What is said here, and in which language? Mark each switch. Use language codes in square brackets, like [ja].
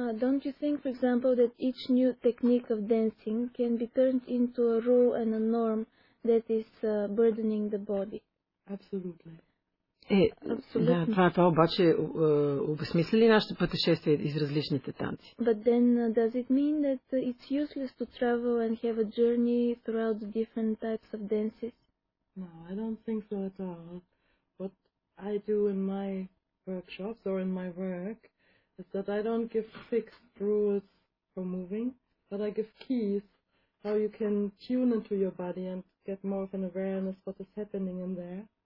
[en] Don't you think, for example, that each new technique of dancing can be turned into a rule and a norm that is burdening the body? Absolutely. [bg] Да, това обаче обезсмисли нашето пътешествие из различните танци. [en] But then does it mean that it's useless to travel and have a journey throughout the different types of dances? No, I don't think so at all. What I do in my workshops or in my work is that I don't give fixed rules for moving, but I give keys how you can tune into your body and get more of an awareness of what is happening in there.